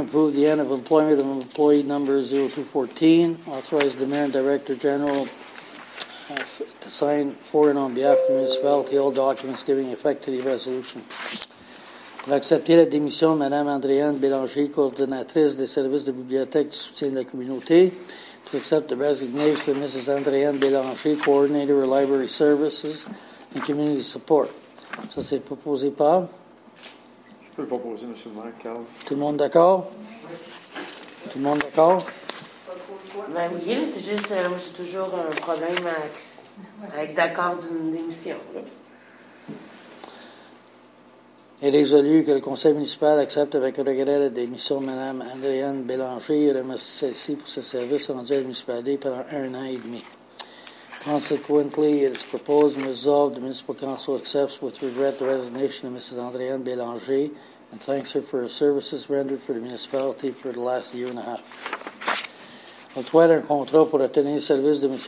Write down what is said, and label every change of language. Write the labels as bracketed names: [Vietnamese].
[English] Approve the end of employment of employee number 0214. Authorize the mayor and director general to sign for and on behalf of the municipality all documents giving effect to the resolution. [French] Pour accepter la démission de Mme Andréane Bélanger, coordonnatrice des services de bibliothèque du soutien de la communauté. [English] To accept the resignation of Mrs. Andréane Bélanger, coordinator of library services and community support. [French] Ça, c'est proposé par? Je peux le proposer, M. Marcal. Tout le monde d'accord? Oui. Tout le monde d'accord? Ben oui, c'est juste, moi, j'ai toujours un problème avec d'accord d'une démission. Est résolu que le conseil municipal accepte avec regret la démission de Mme Andréane Bélanger et remercie celle-ci pour ses services rendus à la municipalité pendant un an et demi. [English] Consequently, it is proposed and resolved the municipal council accepts with regret the resignation of Mrs. Andréane Bélanger and thanks her for her services rendered for the municipality for the last year and a half. [French] Octroyer un contrat pour obtenir le service de M.